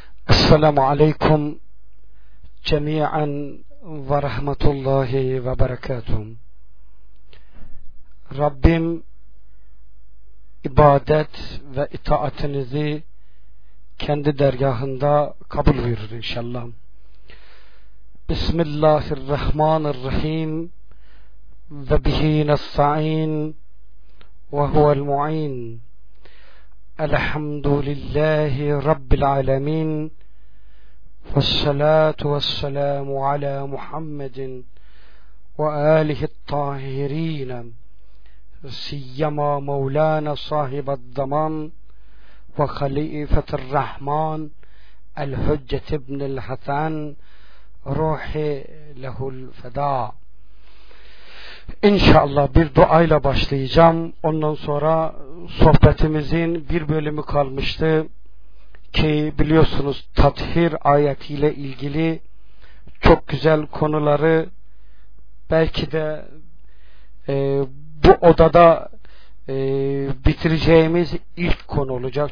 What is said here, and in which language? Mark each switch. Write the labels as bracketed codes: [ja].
[ar] السلام عليكم جميعا ورحمة الله وبركاته. [tr] Rabbim ibadet ve itaatinizi kendi dergahında kabul buyurur inşallah. [ar] Bismillahirrahmanirrahim ve bihi nesta'in ve huvel mu'in. Elhamdülillahi rabbil alemin ve salatu ve selamu ala Muhammedin ve alihi tahirin. سيما مولانا صاحب الضمان وخليفة الرحمن الحجة ابن الحسن روحي له الفداء. [tr] إن شاء الله bir dua ile başlayacağım. Ondan sonra sohbetimizin bir bölümü kalmıştı ki biliyorsunuz tathir ayetiyle ilgili çok güzel konuları belki de bu odada bitireceğimiz ilk konu olacak.